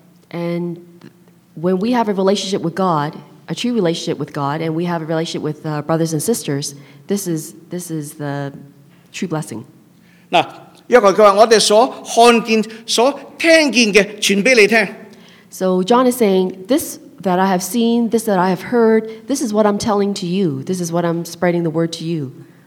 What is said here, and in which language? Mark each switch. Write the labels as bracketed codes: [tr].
[en] And when we have a relationship with God, a true relationship with God, and we have a relationship with brothers and sisters, this is the true blessing. [zh] 約翰他說,我們所看見,所聽見的,傳給你聽。 [en] So John is saying, this that I have seen, this that I have heard, this is what I'm telling to you, this is what I'm spreading the word to you.